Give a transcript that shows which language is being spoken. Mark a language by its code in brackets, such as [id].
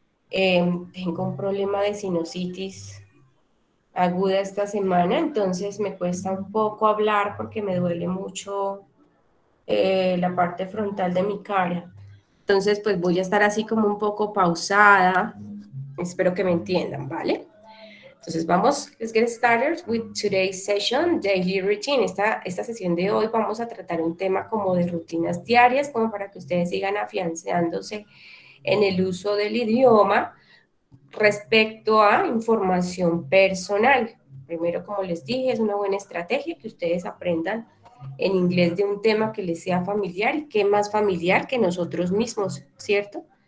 [es] Tengo un problema de sinusitis aguda esta semana, entonces me cuesta un poco hablar porque me duele mucho la parte frontal de mi cara. Entonces, pues voy a estar así como un poco pausada. Espero que me entiendan, ¿vale? Entonces, vamos, [en] let's get started with today's session, daily routine. [es] Esta sesión de hoy vamos a tratar un tema como de rutinas diarias, como para que ustedes sigan afianzándose en el uso del idioma respecto a información personal. Primero, como les dije, es una buena estrategia que ustedes aprendan en inglés de un tema que les sea familiar, y qué más familiar que nosotros mismos, ¿cierto?